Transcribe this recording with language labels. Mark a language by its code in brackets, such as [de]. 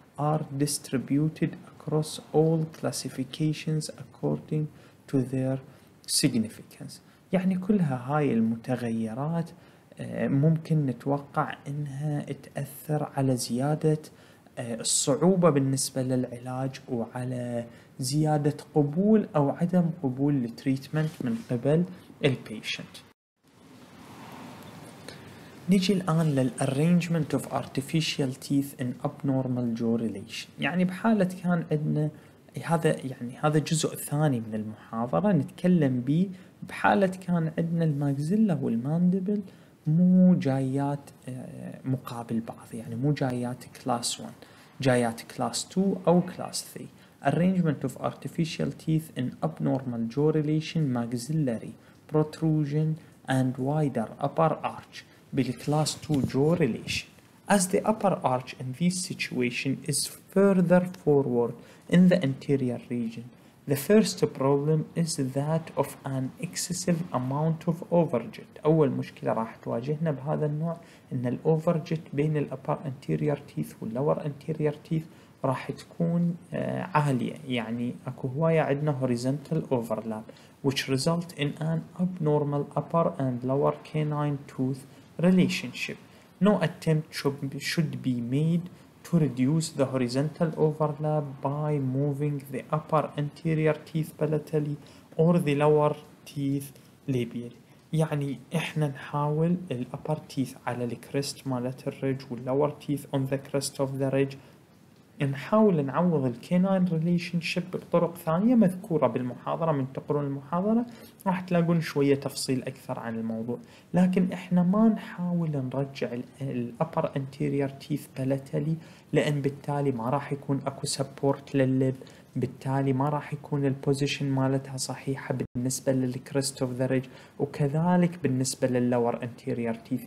[en] are distributed across all classifications according to their significance. [ar] يعني كلها هاي المتغيرات ممكن نتوقع انها تأثر على زيادة الصعوبة بالنسبة للعلاج وعلى زيادة قبول او عدم قبول التريتمنت من قبل البيشنت. نجي الآن [en] للarrangement of artificial teeth in abnormal jaw relation. [ar] يعني بحالة كان عندنا هذا, يعني هذا جزء ثاني من المحاضرة نتكلم به, بحالة كان عندنا الماكزيلا والماندبل مو جايات مقابل بعض, يعني مو جايات class 1 جايات class 2 أو class 3. [en] Arrangement of artificial teeth in abnormal jaw relation, maxillary protrusion and wider upper arch بالclass 2 jaw relation, as the upper arch in this situation is further forward in the anterior region. The first problem is that of an excessive amount of overjet. [ar] أول مشكلة راح تواجهنا بهذا النوع إن الأوفرجت بين الـ [en] upper anterior teeth [ar] والـ [en] lower anterior teeth [ar] راح تكون عالية, يعني أكو هواية عندنا [en] horizontal overlap which result in an abnormal upper and lower canine tooth relationship. No attempt should be made to reduce the horizontal overlap by moving the upper anterior teeth palatally or the lower teeth labially. [ar] يعني احنا نحاول الـ upper teeth على الـ crest مالت الرج والـ [en] lower teeth on the crest of the ridge, [ar] نحاول نعوض الـ canine relationship بطرق ثانية مذكورة بالمحاضرة. من تقرون المحاضرة راح تلاقون شوية تفصيل أكثر عن الموضوع, لكن إحنا ما نحاول نرجع الـ upper anterior teeth palatally لأن بالتالي ما راح يكون أكو support للب, بالتالي ما راح يكون الـ position مالتها صحيحة بالنسبة للـ [en] crest of the ridge, [ar] وكذلك بالنسبة للـ lower anterior teeth.